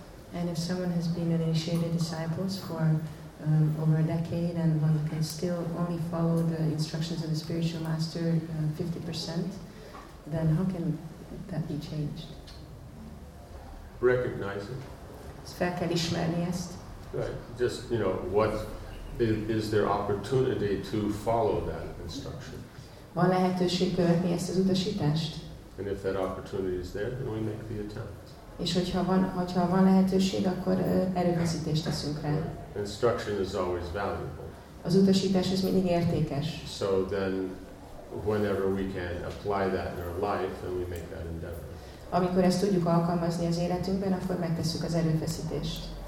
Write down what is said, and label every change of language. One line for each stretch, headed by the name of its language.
English: For over a decade, and one can still only follow the instructions of the spiritual master 50%, then how can that be changed? Recognize it.
Hungarian: Fel kell ismerni ezt.
English: Right. Just, you know, what is there opportunity to follow that instruction?
Hungarian: Van lehetőség követni ezt az utasítást?
English: And if that opportunity is there, then we make the attempt.
Hungarian: És hogyha van lehetőség, akkor erőfeszítést teszünk rá.
English: Instruction is always valuable.
Hungarian: Az utasítás az mindig értékes.
English: So then, whenever we can apply that in our life, then we make that endeavor.
Hungarian: Amikor ezt tudjuk alkalmazni az életünkben, akkor megtesszük az erőfeszítést.